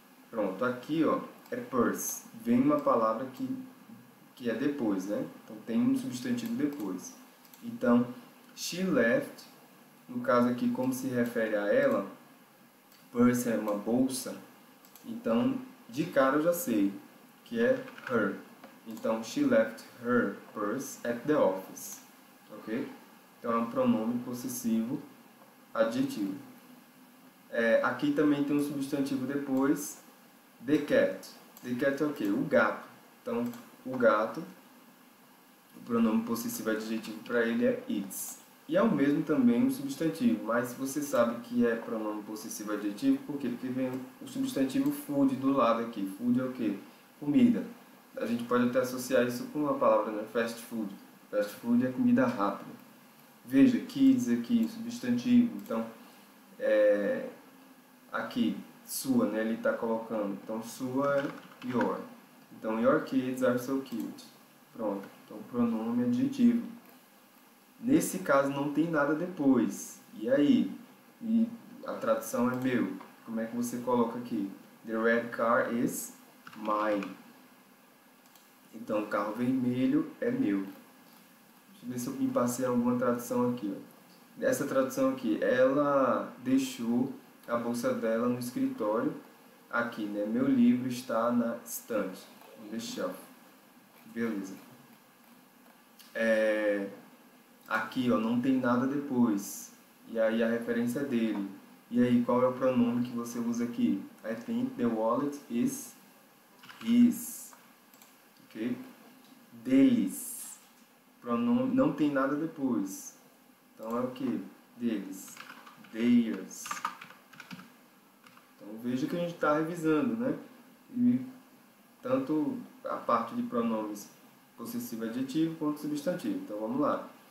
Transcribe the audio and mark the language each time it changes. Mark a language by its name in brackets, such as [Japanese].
[Portuguese] Pronto, aqui ó, é purse, vem uma palavra que é depois, né? Então tem um substantivo depois. Então, she left, no caso aqui, como se refere a ela, purse é uma bolsa, então de cara eu já sei que é her. [English] Então, she left her purse at the office, ok? [Portuguese] Então, é um pronome possessivo, adjetivo. É, aqui também tem um substantivo depois, the cat. The cat é o quê? O gato. Então, o gato, o pronome possessivo adjetivo para ele é its. E é o mesmo também o substantivo, mas você sabe que é pronome possessivo adjetivo, por quê? Porque vem o substantivo food do lado aqui. Food é o quê? Comida. A gente pode até associar isso com uma palavra, né? Fast food. Fast food é comida rápida. Veja, kids aqui, substantivo. Então, é, aqui, sua, né? Ele está colocando. Então, sua é your. [English] Então, your kids are so cute. [Portuguese] Pronto. Então, pronome adjetivo. Nesse caso, não tem nada depois. E aí? E a tradução é meu. Como é que você coloca aqui? [English] The red car is mine. [Portuguese] Então, o carro vermelho é meu. Deixa eu ver se eu me passei alguma tradução aqui. Essa tradução aqui, ela deixou a bolsa dela no escritório. Aqui, né? Meu livro está na estante. [English] On the shelf. [Portuguese] Beleza. É, aqui, ó, não tem nada depois. E aí, a referência é dele. E aí, qual é o pronome que você usa aqui? [English] I think the wallet is his. [Portuguese] Okay? Deles. Pronome, não tem nada depois. Então é o que? Deles. Theirs. Então veja que a gente está revisando, né? E tanto a parte de pronomes possessivo adjetivo quanto substantivo. Então vamos lá.